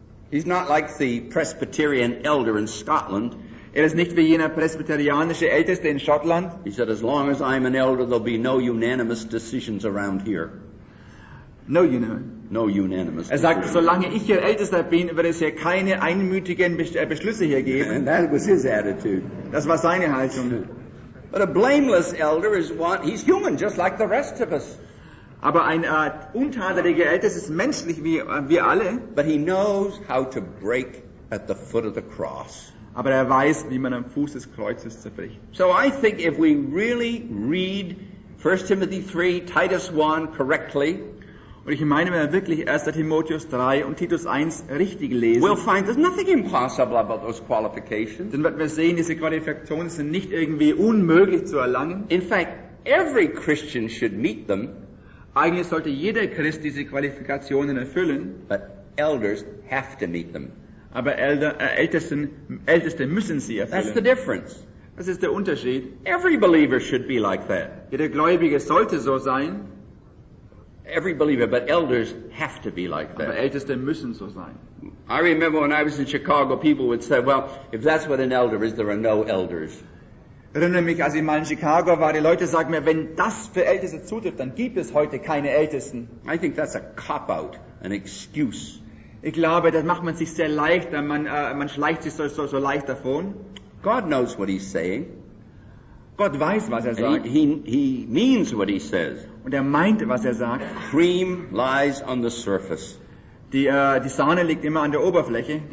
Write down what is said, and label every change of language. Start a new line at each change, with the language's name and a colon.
English: He's not like the Presbyterian elder in Scotland.
German: Er ist nicht wie jener presbyterianische Älteste in Schottland.
English: He said, as long as I'm an elder, there'll be no unanimous decisions around here. No, you know. No unanimous.
German: Er sagte, solange ich hier Ältester bin, wird es hier keine einmütigen Beschlüsse hier geben.
English: And that was his attitude.
German: Das war seine Haltung.
English: But a blameless elder is one, he's human, just like the rest of us.
German: Aber ein untadeliger Ältester ist menschlich wie alle.
English: But he knows how to break at the foot of the cross.
German: Aber er weiß, wie man am Fuß des Kreuzes zerbricht.
English: So I think if we really read 1 Timothy 3, Titus 1 correctly,
German: und ich meine, wenn wir wirklich 1. Timotheus 3 und Titus 1 richtig lesen,
English: we'll find there's nothing impossible about those qualifications.
German: Dann werden wir sehen, diese Qualifikationen sind nicht irgendwie unmöglich zu erlangen.
English: In fact, every Christian should meet them.
German: Eigentlich sollte jeder Christ diese Qualifikationen erfüllen.
English: But elders have to meet them.
German: Aber Älteste müssen sie erfüllen.
English: That's the difference.
German: Das ist der Unterschied.
English: Every believer should be like that.
German: Jeder Gläubige sollte so sein.
English: Every believer, but elders have to be like that.
German: Aber Älteste müssen so sein.
English: I remember when I was in Chicago, people would say, well, if that's what an elder is, there are no elders.
German: Erinnere mich, als ich mal in Chicago war, die Leute sagen mir, wenn das für Älteste zutrifft, dann gibt es heute keine Ältesten.
English: I think that's a cop-out, an excuse.
German: Ich glaube, das macht man sich sehr leicht, man schleicht sich so leicht davon.
English: God knows what he's saying.
German: Gott weiß, was er sagt.
English: He means what he says.
German: Und er meint, was er sagt.
English: Cream lies on the surface.
German: Die Sahne liegt immer an der Oberfläche.